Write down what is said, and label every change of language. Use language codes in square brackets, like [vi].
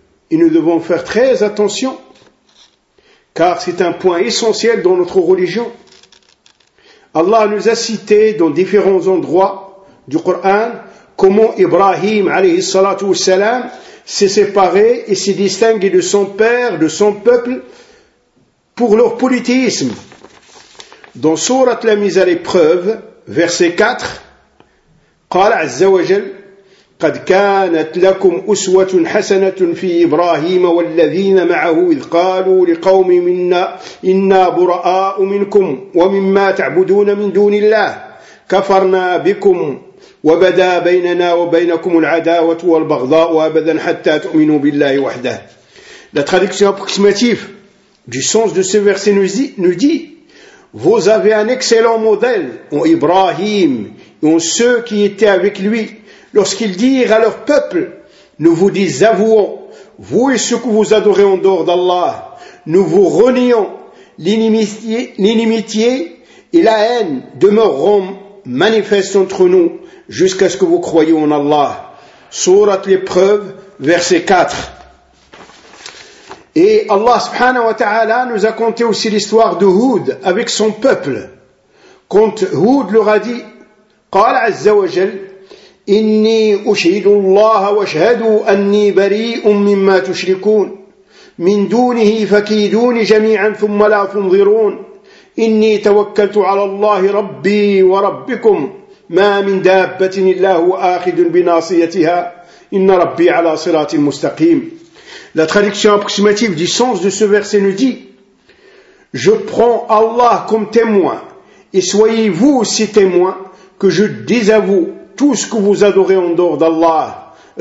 [fr] Et nous devons faire très attention, car c'est un point essentiel dans notre religion. Allah nous a cité dans différents endroits du Coran comment Ibrahim alayhi salatu wassalam s'est séparé et s'est distingué de son père, de son peuple, pour leur polythéisme. Dans Sourate la mise à l'épreuve, verset 4, [ar] قال عز وجل قد كانت لكم أسوة حسنة في إبراهيم والذين معه إذ قالوا لقوم إنا براء منكم ومما تعبدون من دون الله كفرنا بكم وبدا بيننا وبينكم العداوة والبغضاء أبدا حتى تؤمنوا بالله وحده. [fr] La traduction approximative du sens de ce verset nous dit: vous avez un excellent modèle en Ibrahim et en ceux qui étaient avec lui lorsqu'ils dirent à leur peuple, nous vous désavouons, vous et ceux que vous adorez en dehors d'Allah, nous vous renions, l'inimitié et la haine demeureront manifestes entre nous jusqu'à ce que vous croyiez en Allah. Sourate l'épreuve, verset 4. Et Allah subhanahu wa ta'ala nous a conté aussi l'histoire de Hud avec son peuple. Quand Hud leur a dit, [ar] قال عز وجل إني أشهد الله واشهدوا أني بريء مما تشركون من دونه فكيدوني جميعا ثم لا تنظرون إني توكلت على الله ربي وربكم ما من دابة إلا هو آخذ بناصيتها إن ربي على صراط مستقيم. [fr] La traduction approximative du sens de ce verset nous dit: je prends Allah comme témoin et soyez-vous aussi témoins que je désavoue tout ce que vous adorez en dehors d'Allah.